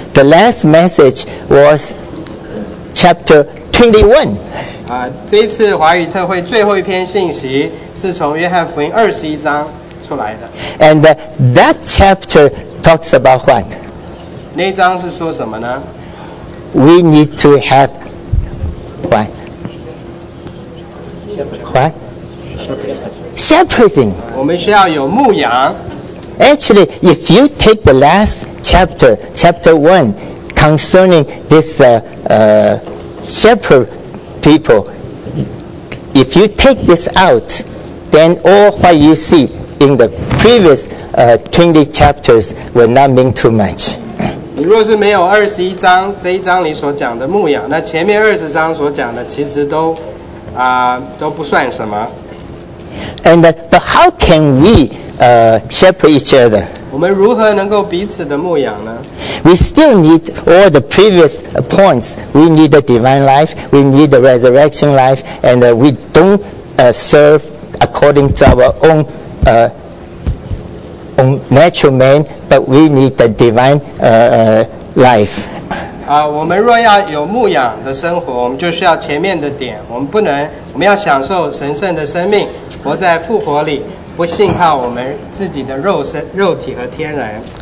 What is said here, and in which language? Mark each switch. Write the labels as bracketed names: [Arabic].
[English] The last message was chapter 21. [Chinese] 这一次华语特会最后一篇信息是从约翰福音21章出来的。 [English] And that chapter talks about what? [Chinese] 那章是说什么呢？ [English] We need to have what? Shepherding. [Chinese] 我们需要有牧羊。 [English] Actually, if you take the last chapter, chapter 1, concerning this shepherd people,if you take this out, then all what you see in the previous 20 chapters will not mean too much. [Chinese] 你若是没有21章这一章里所讲的牧养，那前面20章所讲的其实都不算什么。 [English] And but how can we shepherd each other? [Chinese] 我们如何能够彼此的牧养呢？ [English] We still need all the previous points. We need the divine life. We need the resurrection life. And we don't serve according to our own natural man, but we need the divine life. [Chinese] 我们若要有牧养的生活，我们就需要前面的点。我们要享受神圣的生命，活在复活里，不信靠我们自己的肉体和天然。